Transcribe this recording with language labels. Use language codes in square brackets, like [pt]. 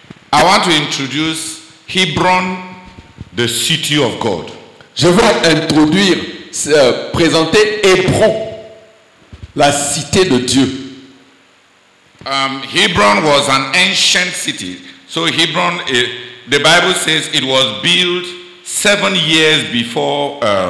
[en] I want to introduce Hebron, the city of God. [fr] Je veux introduire, présenter Hébron, la cité de Dieu. [en] Hebron was an ancient city. So Hebron, the Bible says it was built 7 years before.